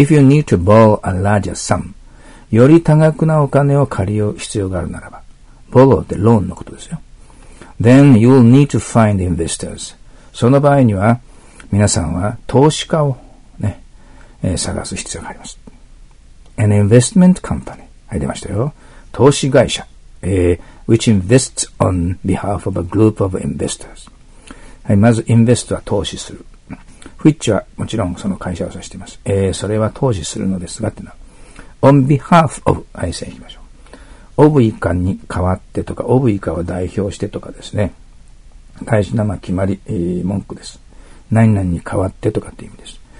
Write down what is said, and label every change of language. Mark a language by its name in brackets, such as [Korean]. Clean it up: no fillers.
[English] If you need to borrow a larger sum, [Japanese] より多額なお金を借りよう必要があるならば、borrow ってローンのことですよ。 [English] Then you'll need to find investors. [Japanese] その場合には、皆さんは投資家をね、探す必要があります。 [English] An investment company. [Japanese] はい、出ましたよ。投資会社。 [English] Which invests on behalf of a group of investors. [Japanese] はい、まず、invest は投資する。Which はもちろんその会社を指しています。それは投資するのですがってのは。 [English] On behalf of. [Japanese] はい、線引きましょう。 of 以下に代わってとか、of 以下を代表してとかですね。大事な決まり、文句です。何々に代わってとかっていう意味です。